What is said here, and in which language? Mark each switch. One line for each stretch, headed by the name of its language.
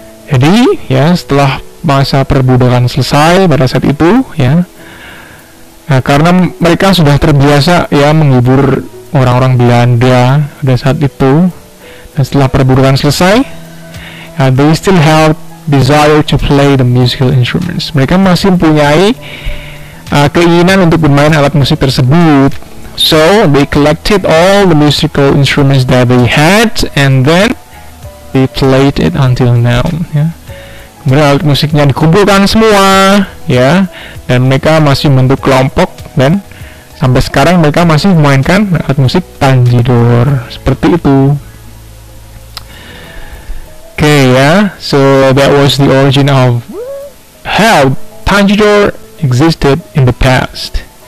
Indonesian: Jadi, ya, setelah masa perbudakan selesai pada saat itu, ya, nah, karena mereka sudah terbiasa ya menghibur orang-orang Belanda pada saat itu, dan setelah perbudakan selesai, ya,
English: they still have desire to play the musical instruments.
Indonesian: Mereka masih mempunyai keinginan untuk bermain alat musik tersebut.
English: So they collected all the musical instruments that they had, and then they played it until now.
Indonesian: Ya. Kemudian alat musiknya dikumpulkan semua, ya, dan mereka masih membentuk kelompok, dan sampai sekarang mereka masih memainkan alat musik tanjidor seperti itu. Okay, ya.
English: So that was the origin of how tanjidor existed in the past.